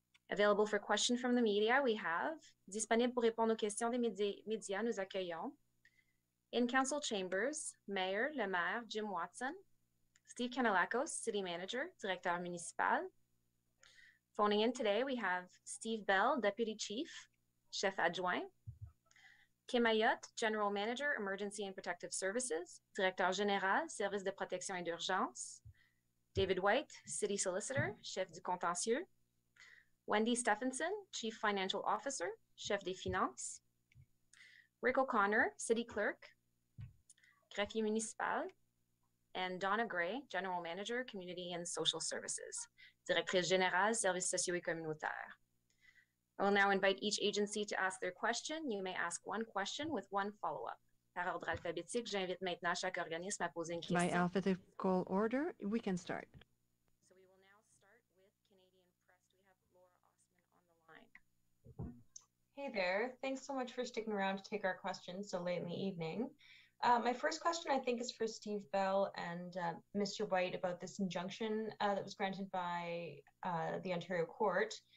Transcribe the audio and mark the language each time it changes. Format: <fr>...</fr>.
<en>Available for questions from the media, we have.</en> <fr>Disponible pour répondre aux questions des médias, nous accueillons.</fr> <en>In Council Chambers, Mayor,</en> <fr>Le Maire,</fr> <en>Jim Watson. Steve Canalacos, City Manager,</en> <fr>Directeur Municipal.</fr> <en>Phoning in today, we have Steve Bell, Deputy Chief,</en> <fr>Chef Adjoint. Kim Ayotte,</fr> <en>General Manager, Emergency and Protective Services,</en> <fr>Directeur Général, Service de Protection et d'Urgence. David White,</fr> <en>City Solicitor,</en> <fr>Chef du Contentieux. Wendy Stephenson,</fr> <en>Chief Financial Officer,</en> <fr>Chef des Finances.</fr> <en>Rick O'Connor, City Clerk,</en> <fr>Greffier Municipal.</fr> <en>And Donna Gray, General Manager, Community and Social Services,</en> <fr>Directrice Générale, Services Sociaux et Communautaires.</fr> <en>I will now invite each agency to ask their question. You may ask one question with one follow-up.</en> <fr>Par ordre alphabétique, j'invite maintenant chaque organisme à poser une question.</fr> <en>By alphabetical order, we can start. So we will now start with Canadian Press. We have Laura Osman on the line. Hey there. Thanks so much for sticking around to take our questions so late in the evening. My first question, I think, is for Steve Bell and Mr. White about this injunction that was granted by the Ontario Court.</en>